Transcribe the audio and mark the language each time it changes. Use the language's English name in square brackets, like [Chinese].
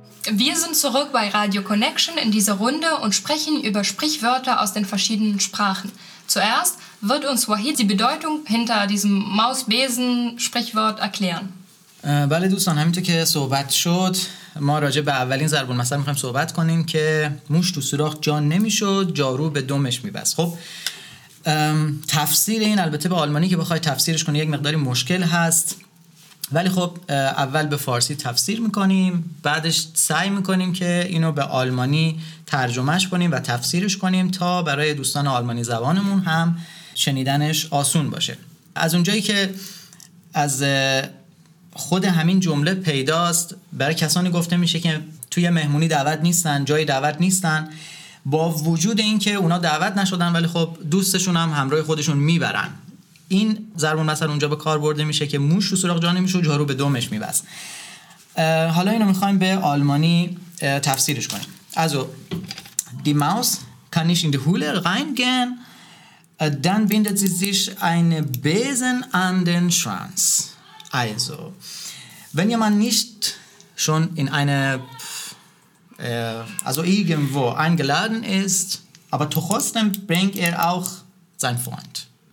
[German] Wir sind zurück bei Radio Connection in dieser Runde und sprechen über Sprichwörter aus den verschiedenen Sprachen. Zuerst wird uns Wahid die Bedeutung hinter diesem Maus-Besen-Sprichwort erklären. [Persian] بله دوستان همینطور که صحبت شد ما راجع به اولین ضرب المثل میخوایم صحبت کنیم که موش تو سوراخ جان نمیشد جارو به دمش میبست. خب تفسیر این البته به آلمانی که بخوای تفسیرش کنی یک مقداری مشکل هست، ولی خب اول به فارسی تفسیر میکنیم، بعدش سعی میکنیم که اینو به آلمانی ترجمهش کنیم و تفسیرش کنیم تا برای دوستان آلمانی زبانمون هم شنیدنش آسون باشه. از اونجایی که از خود همین جمله پیداست، برای کسانی گفته میشه که توی مهمونی دعوت نیستن، جای دعوت نیستن، با وجود این که اونا دعوت نشدن ولی خب دوستشون هم همراه خودشون میبرن، این ضرب المثل اونجا به کار برده میشه که موش رو سوراخ جا نمیشه و جارو به دمش میبست. حالا اینو میخوایم به آلمانی تفسیرش کنیم. [German] Also die Maus kann nicht in die Höhle reingehen, dann bindet sie sich einen Besen an den Schwanz. Also, wenn jemand nicht schon in eine, also irgendwo eingeladen ist, aber trotzdem bringt er auch seinen Freund.